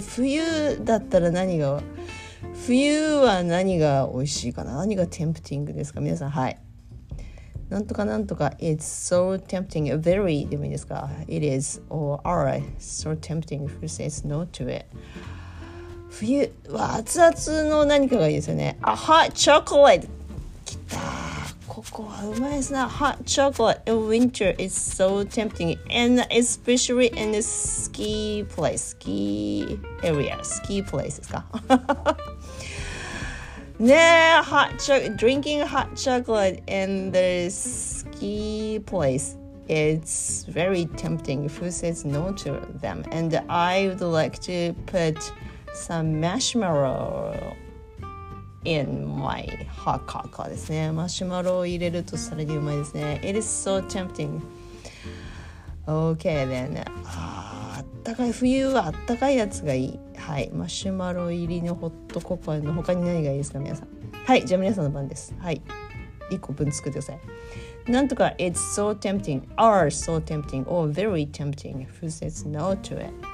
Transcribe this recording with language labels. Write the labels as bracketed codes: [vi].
[ja] 冬だったら何が、冬は何が美味しいかな、何がテンプティングですか、皆さん、はい、なんとかなんとか、 [en] It's so tempting, very [ja] でもいいですか、 [en] It is or are so tempting if you say no to it。 [ja] 冬は熱々の何かがいいですよね。 [en] A hot chocolate、 [ja] きた、ここはうまいですね。 [en] Hot chocolate in winter is so tempting, and especially in the ski place, ski area, ski place [ja] ですか。 [en] ねえ、hot chocolate, drinking hot chocolate in the ski place, it's very tempting, who says no to them, and I would like to put some marshmallow in my hot chocolate [ja] ですね。マシュマロを入れるとさらにうまいですね。 [en] It is so tempting. Okay then, [ja] 暖かい、冬は暖かいやつがいい、はい、マシュマロ入りのホットココアの他に何がいいですか、皆さん、はい、じゃあ皆さんの番です、はい、1個分作ってください。なんとか [en] It's so tempting, are so tempting, or very tempting, who says no to it。